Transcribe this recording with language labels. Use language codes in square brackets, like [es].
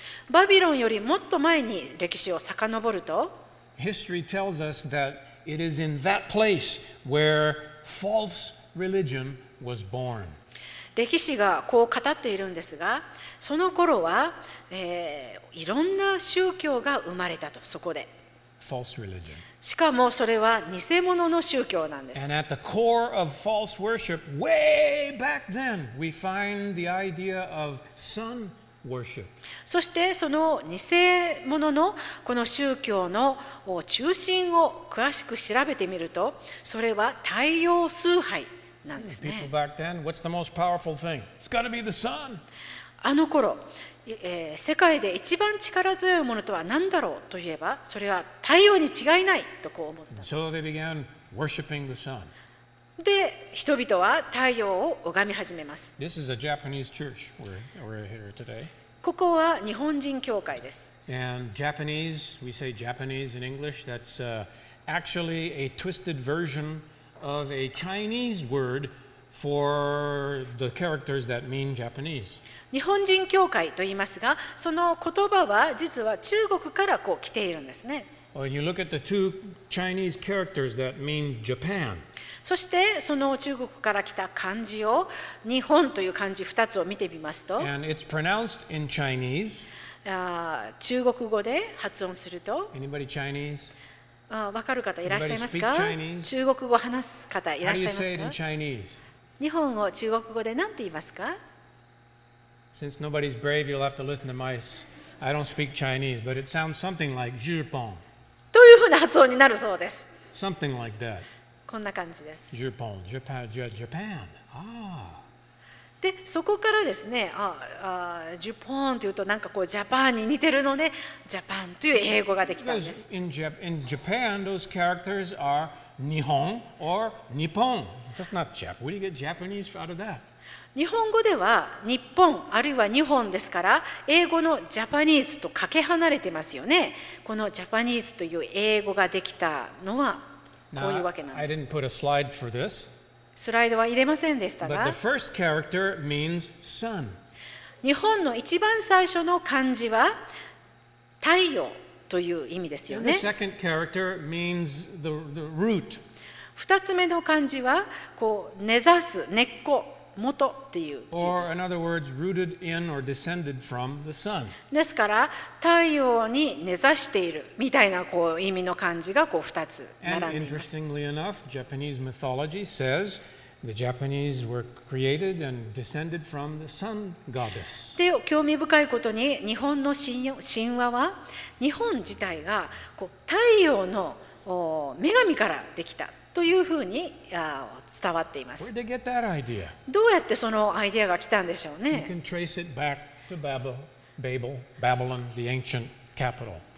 [ja] バビロンよりもっと前に歴史を遡ると。 [en] History tells us that it is in that place where false religion was born. [ja] 歴史がこう語っているんですが、その頃は、いろんな宗教が生まれたと、そこで。 [en] False religion. [ja] しかもそれは偽物の宗教なんです。 [en] And at the core of false worship, way back then, we find the idea of sun worship. [ja] そしてその偽物のこの宗教の中心を詳しく調べてみると、それは太陽崇拝なんですね。 [en] People back then, what's the most powerful thing? It's got to be the sun. [ja] あの頃、世界で一番力強いものとは何だろうといえば、それは太陽に違いないとこう思った。 [en] So they began worshiping the sun. [ja] で、人々は太陽を拝み始めます。 [en] This is a Japanese church we're here today. [ja] ここは日本人教会です。 [en] And Japanese, we say Japanese in English, that's actually a twisted version of a Chinese word for the characters that mean Japanese. [ja] 日本人教会と言いますが、その言葉は実は中国からこう来ているんですね。 [en] When you look at the two Chinese characters that mean Japan. [ja] そしてその中国から来た漢字を、日本という漢字2つを見てみますと、 [en] And it's pronounced in Chinese. [ja] 中国語で発音すると、 [en] Anybody Chinese? [ja] 分かる方いらっしゃいますか？中国語話す方いらっしゃいますか？ [en] How do you say it in Chinese? [ja] 日本を中国語で何て言いますか？ [en] Since nobody's brave, you'll have to listen to mice. I don't speak Chinese, but it sounds something like Jupon. [ja] というふうな発音になるそうです。 [en] Something like that. [ja] こんな感じです。 [en] Japan. Japan. Japan. Ah. [ja] でそこからですね、ああジュポーンというとなんかこうジャパンに似てるので、ね、ジャパンという英語ができたんです。 [en] In Japan, those characters are Nihon or Nippon. That's not Jap. Where do you get Japanese out of that? [ja] 日本語では日本あるいは日本ですから、英語のジャパニーズとかけ離れてますよね。このジャパニーズという英語ができたのはこういうわけなんです。 [en] Now, I didn't put a slide for this. [ja] スライドは入れませんでしたが、 [en] But the first character means sun. [ja] 日本の一番最初の漢字は太陽という意味ですよね。 [en] The second character means the root. [ja] 二つ目の漢字はこう根ざす、根っこ、元っていう字です。 [en] Or in other words, rooted in or descended from the sun. [ja] ですから太陽に根ざしているみたいなこう意味の漢字がこう二つ並んでいます。 [en] And interestingly enough, Japanese mythology says the Japanese were created and descended from the sun goddess. [ja] で、興味深いことに日本の神話は日本自体がこう太陽の女神からできたというふうに伝わっています。どうやってそのアイデアが来たんでしょうね。 [en] You can trace it back to Babylon, the ancient capital.